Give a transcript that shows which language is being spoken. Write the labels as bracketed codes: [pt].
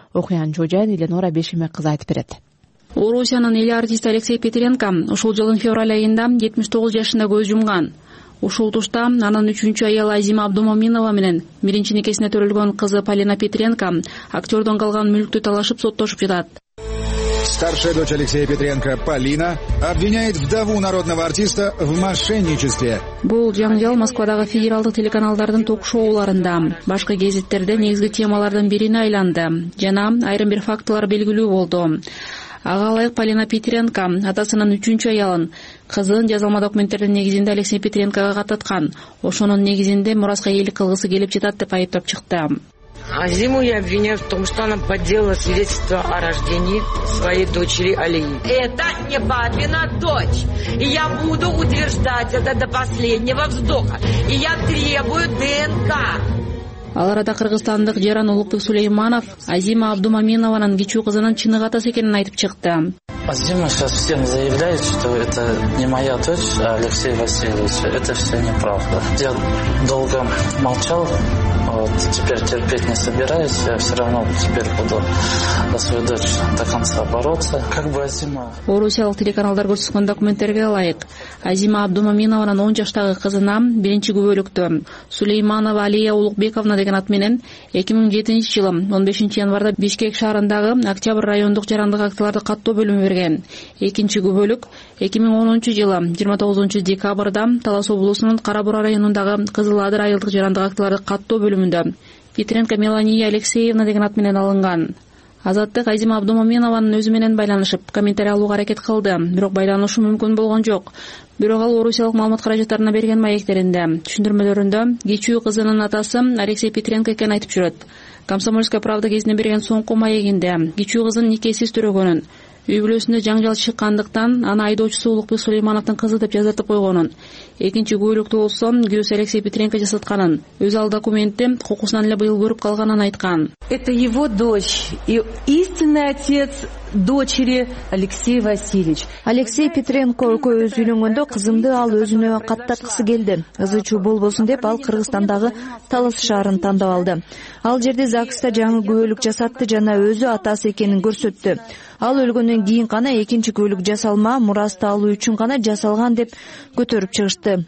[ky] Окуянын жожайын Эленора Бешиме кызы айтып берет. Орусиянын эл артисти Алексей Петренко ушул жылдын февраль айында 79 жашында көз жумган. Ушул тушта анын үчүнчү аялы Азима Абдумаминова менен биринчи никесине төрөлгөн кызы Полина Петренко актердон калган мүлктү талашып соттошуп жатат. [ru] Старшая дочь Алексея Петренко, Полина, обвиняет вдову народного артиста в мошенничестве. [ky] Бул жаңжал Москвадагы федералдык телеканалдардын ток-шоуларында, башка гезиттерде негизги темалардын бирине айланды жана айрым бир фактылар белгилүү болду. Ага ылайык Полина Петренко атасынын үчүнчү аялын кызын жазылма документтердин негизинде Алексей Петренкога кататкан, ошонун негизинде мураска ээлик кылгысы келип жатат деп айыптап чыкты. [ru] Азиму я обвиняю в том, что она подделала свидетельство о рождении своей дочери Алии. Это не папина дочь. И я буду утверждать это до последнего вздоха. И я требую ДНК. [ky] Ал арада кыргызстандык Жаран Улукбек Сулейманов Азима Абдумаминованын кичүү кызынын чыныгы атасы экенин айтып чыкты. [ru] Азима сейчас всем заявляет, что это не моя дочь, а Алексей Васильевич. Это все неправда. Я долго молчал, вот, теперь терпеть не собираюсь. Я все равно теперь буду за свою дочь до конца бороться. Как бы Азима... У русских телеканалов [ky] көрсөткөн документтерге ылайык. Азима Абдумаминованын 10 жаштагы кызына биринчи күбөлүктү Сулейманова Алия Улукбековна деген ат менен 2007 жылы 15 январда Бишкек шаарындагы Октябрь райондук жарандык актыларды каттоо бөлүмү берген. Экинчи күбөлүк 2010 жылы 29 декабрда Талас облусунун Кара Бура районундагы Кызыл Адыр айылдык жарандык актыларды каттоо бөлүмүндө Петренко Мелания Алексеевна деген ат менен алынган. Азаттык Азима Абдумаминованын өзү менен байланышып, комментарий алууга аракет кылды, бирок байланышы мүмкүн болгон жок. Бирок ал орусиялык маалымат каражаттарына берген маектеринде, түшүндүрмөлөрүндө кичүү кызынын атасы Алексей Петренко экен айтып жүрөт. Комсомольская правда гезине берген соңку маегинде кичүү кызын никесиз төрөгөнүн, үй бүлөсүндө жаңжал чыккандыктан аны айдоочусу Улукбек Сулеймановдун кызы деп жазартып койгонун, экинчи күбөлүктүү болсо күйөөсү Алексей Петренко жасатканын, өз ал документти кокусунан эле быйыл көрүп калганын айткан. [ru] Это его дочь и истинный отец дочери Алексей Васильевич. [ky] Алексей Петренко өз үйлөнгөндө кызымды ал өзүнө каттаткысы келди. Ызычуу болбосун деп ал Кыргызстандагы Талас шаарын тандап алды. Ал жерде ЗАГСта жаңы күбөлүк жасатты жана өзү атасы экенин көрсөттү. Ал өлгөндөн кийин гана экинчи күбөлүк жасалма, мурасты алуу үчүн гана жасалган деп көтөрүп чыгышты.